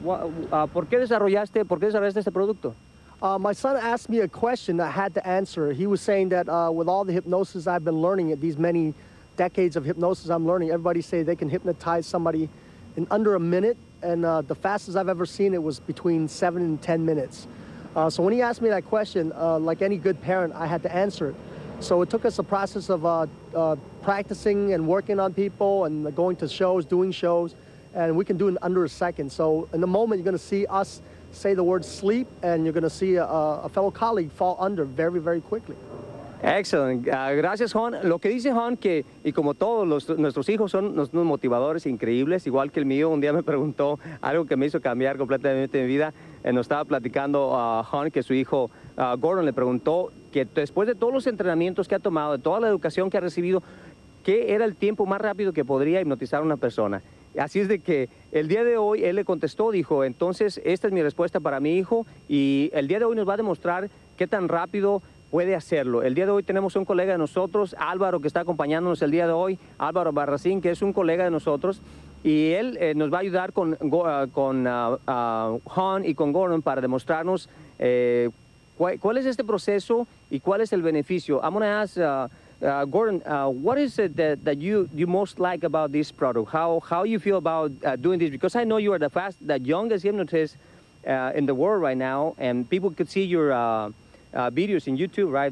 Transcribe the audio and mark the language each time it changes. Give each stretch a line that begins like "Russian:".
Spanish: ¿Por qué desarrollaste este producto?
English: My son asked me a question I had to answer. He was saying that with all the hypnosis I've been learning, these many decades of hypnosis I'm learning, everybody say they can hypnotize somebody in under a minute, and the fastest I've ever seen it was between 7 and 10 minutes. So when he asked me that question, like any good parent, I had to answer it. So it took us a process of practicing and working on people and going to shows, doing shows, and we can do it in under a second. So in the moment, you're gonna see us say the word sleep, and you're going to see a fellow colleague fall under very, very quickly. Excellent.
Spanish: Gracias, Juan. Lo que dice Juan, que, y como todos nuestros hijos son unos motivadores increíbles, igual que el mío, un día me preguntó algo que me hizo cambiar completamente mi vida. Nos estaba platicando a Juan que su hijo Gordon le preguntó que después de todos los entrenamientos que ha tomado, de toda la educación que ha recibido, ¿qué era el tiempo más rápido que podría hipnotizar a una persona? Así es de que el día de hoy él le contestó, dijo, entonces esta es mi respuesta para mi hijo y el día de hoy nos va a demostrar qué tan rápido puede hacerlo. El día de hoy tenemos un colega de nosotros, Álvaro, que está acompañándonos el día de hoy, Álvaro Barracín, que es un colega de nosotros, y él nos va a ayudar con Han y con Gordon para demostrarnos cuál es este proceso y cuál es el beneficio.
English: I'm going to ask Gordon, what is it that you most like about this product? How you feel about doing this? Because I know you are the youngest hypnotist in the world right now, and people could see your videos in YouTube, right?